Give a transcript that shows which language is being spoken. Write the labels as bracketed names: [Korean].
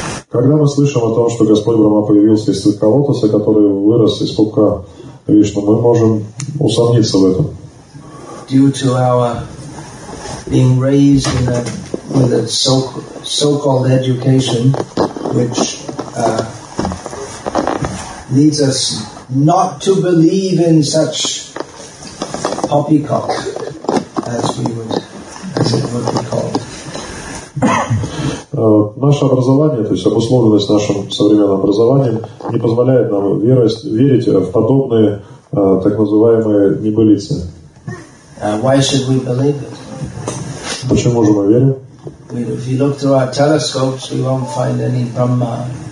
[Russian] Когда мы слышим о том, что Господь Брахма появился из цветка лотоса, который вырос из пупка Вишну, мы можем усомниться в этом. [English] Due to our being raised in a, with a so-called education, which leads us not to believe in such poppycock as we would, as [Russian] Наше образование, то есть обусловленность нашим современным образованием, не позволяет нам верить в подобные так называемые небылицы. [English] Why should we believe it? [Russian] Почему же мы верим? [English] If you look through our telescopes, we won't find any Brahma.